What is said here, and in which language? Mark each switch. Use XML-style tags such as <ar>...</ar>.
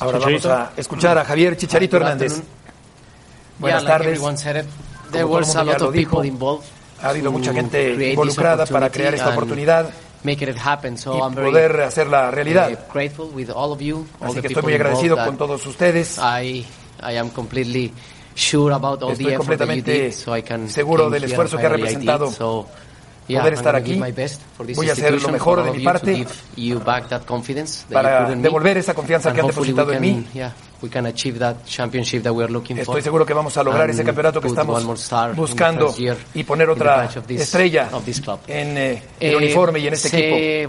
<es>Ahora vamos a escuchar a Javier Chicharito Hernandez. Buenas tardes.</es> <en>There was a lot of people involved.</en> <es>Ha habido mucha gente involucrada para crear esta oportunidad y poder hacerla realidad.</es> <en>Grateful with all of you.</en> <es>Así que estoy muy agradecido con todos ustedes.</es> <en>I am completely sure about all the effort that you did, so I can</en> <es>seguro del esfuerzo que ha representado. Poder estar aquí, voy a hacer lo mejor de mi parte para devolver esa confianza que han depositado en mí. Estoy seguro que vamos a lograr ese campeonato que estamos buscando y poner otra estrella en el uniforme y en este equipo.</es>